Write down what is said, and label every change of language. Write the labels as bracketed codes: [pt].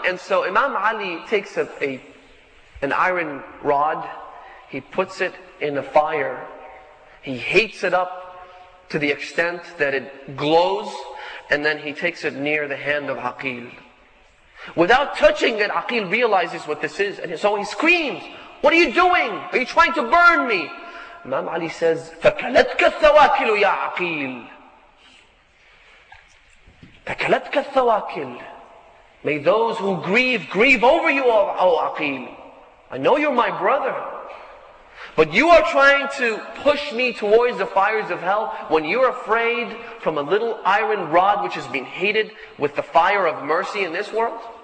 [en] And so Imam Ali takes an iron rod, he puts it in a fire, he heats it up to the extent that it glows, and then he takes it near the hand of Aqil. Without touching it, Aqil realizes what this is, and so he screams, what are you doing? Are you trying to burn me? Imam Ali says, [ar] فَكَلَتْكَ الثَّوَاكِلُ يَا عَقِيلُ فَكَلَتْكَ الثَّوَاكِلُ. [en] May those who grieve over you, O Aqil. I know you're my brother. But you are trying to push me towards the fires of hell when you're afraid from a little iron rod which has been heated with the fire of mercy in this world?